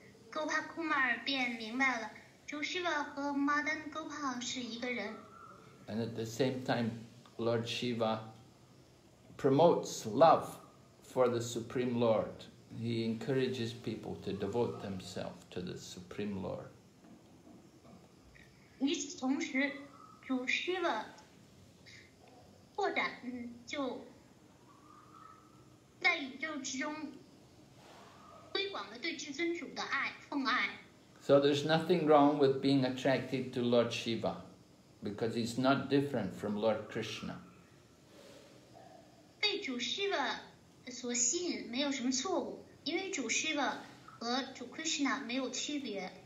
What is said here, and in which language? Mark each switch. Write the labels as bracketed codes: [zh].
[zh] 勾帕库马尔便明白了，朱希瓦和马丹勾帕是一个人。 [en] And at the same time, Lord Shiva promotes love for the Supreme Lord. He encourages people to devote themselves to the Supreme Lord. [zh] 与此同时，主 Shiva 扩展，就在宇宙之中推广了对至尊主的爱，奉爱。 [en] So there's nothing wrong with being attracted to Lord Shiva, because he's not different from Lord Krishna. [zh] 被主 Shiva 所吸引没有什么错误，因为主 Shiva 和主 Krishna 没有区别。